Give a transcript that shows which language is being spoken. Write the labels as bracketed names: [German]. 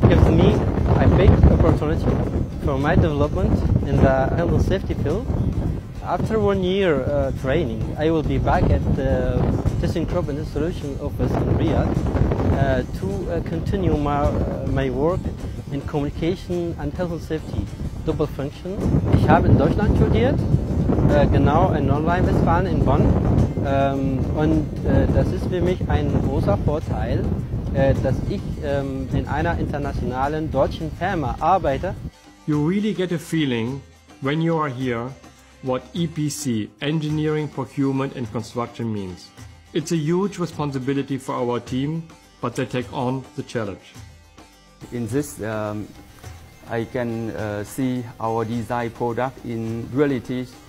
[English] Gives me a big opportunity for my development in the health and safety field. After 1 year training, I will be back at the ThyssenKrupp and the Solution office in Riyadh to continue my work in communication and health and safety, double function. [German] Ich habe in Deutschland studiert, genau in Nordrhein-Westfalen in Bonn. Das ist für mich ein großer Vorteil, dass ich in einer internationalen deutschen Firma arbeite. [English] You really get a feeling when you are here what EPC, Engineering, Procurement and Construction means. It's a huge responsibility for our team, but they take on the challenge. In this, I can see our desired product in reality.